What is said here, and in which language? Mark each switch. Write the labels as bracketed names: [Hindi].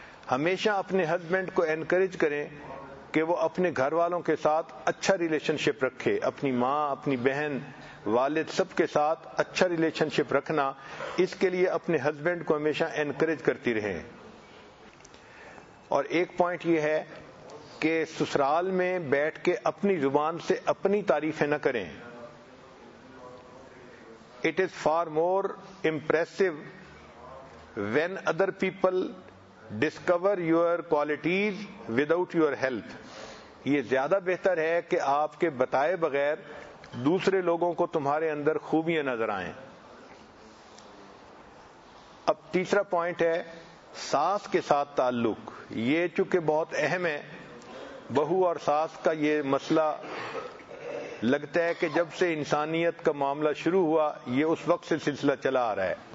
[Urdu] ہمیشہ اپنے ہسبینڈ کو انکریج کریں کہ وہ اپنے گھر والوں کے ساتھ اچھا ریلیشن شپ رکھے، اپنی ماں، اپنی بہن، والد، سب کے ساتھ اچھا ریلیشن شپ رکھنا. اس کے لیے اپنے ہسبینڈ کو ہمیشہ انکریج کرتی رہیں. اور ایک پوائنٹ یہ ہے کہ سسرال میں بیٹھ کے اپنی زبان سے اپنی تعریفیں نہ کریں. [English] It is far more impressive when other people discover your qualities without your help. [Urdu] یہ زیادہ بہتر ہے کہ آپ کے بتائے بغیر دوسرے لوگوں کو تمہارے اندر خوبیاں نظر آئیں. اب تیسرا پوائنٹ ہے ساس کے ساتھ تعلق. یہ چونکہ بہت اہم ہے، بہو اور ساس کا یہ مسئلہ لگتا ہے کہ جب سے انسانیت کا معاملہ شروع ہوا یہ اس وقت سے سلسلہ چلا آ رہا ہے.